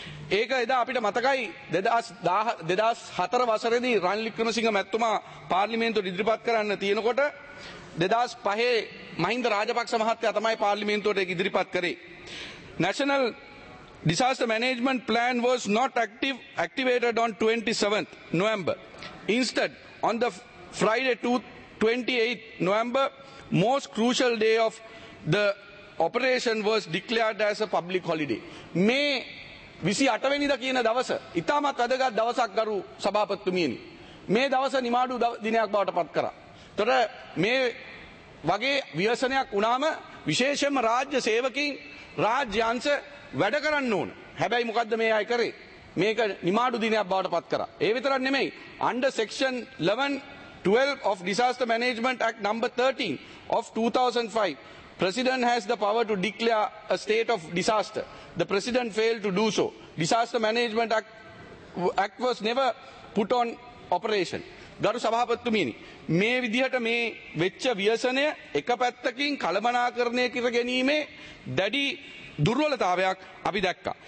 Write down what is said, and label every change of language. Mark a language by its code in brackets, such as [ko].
[si] ඒක එදා අපිට මතකයි 2004 වසරේදී රන්ලි ක්‍රමසිංහ මැතිතුමා පාර්ලිමේන්තුවට ඉදිරිපත් කරන්න තියෙනකොට 2005 මහින්ද රාජපක්ෂ මහත්තයා තමයි පාර්ලිමේන්තුවට ඒක ඉදිරිපත් කරේ. [en] National disaster management plan was not activated on 27th November. Instead, on the Friday 28th November, most crucial day of the operation was declared as a public holiday. [si] මේ 28 වෙනිදා කියන දවස ඉතාමත් වැදගත් දවසක් ගරු සභාපතිතුමියනි. මේ දවස නිමාඩු දිනයක් බවට පත් කරා. එතකොට මේ වගේ ව්‍යසනයක් වුණාම විශේෂයෙන්ම රාජ්‍ය සේවකයින් රාජ්‍යංශ වැඩ කරන්න ඕන. හැබැයි මොකද්ද මේ අය කරේ? මේක නිමාඩු දිනයක් බවට පත් කරා. ඒ විතරක් නෙමෙයි, [en] under section 11 12 of Disaster Management Act number 13 of 2005, President has the power to declare a state of disaster. The President failed to do so. Disaster Management Act was never put on operation. [si] ගරු සභාපතිතුමිනි, මේ විදිහට මේ වෙච්ච ව්‍යසනය එක පැත්තකින් කළමනාකරණය කර ගැනීමේ දැඩි දුර්වලතාවයක් අපි දැක්කා.